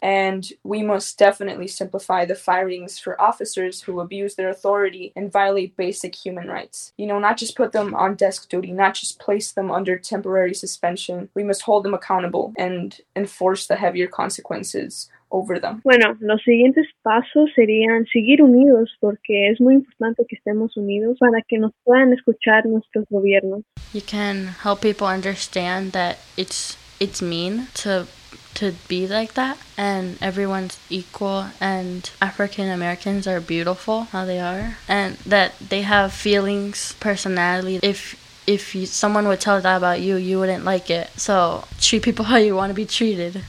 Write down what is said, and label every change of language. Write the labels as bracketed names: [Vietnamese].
[English] And we must definitely simplify the firings for officers who abuse their authority and violate basic human rights. You know, not just put them on desk duty, not just place them under temporary suspension. We must hold them accountable and enforce the heavier consequences over them. [Spanish] Bueno, los siguientes pasos serían seguir unidos porque es muy importante que estemos unidos para que nos puedan escuchar nuestros gobiernos. [English] You can help people understand that it's mean to be like that, and everyone's equal, and African Americans are beautiful how they are, and that they have feelings, personality. If someone would tell that about you, you wouldn't like it. So treat people how you want to be treated.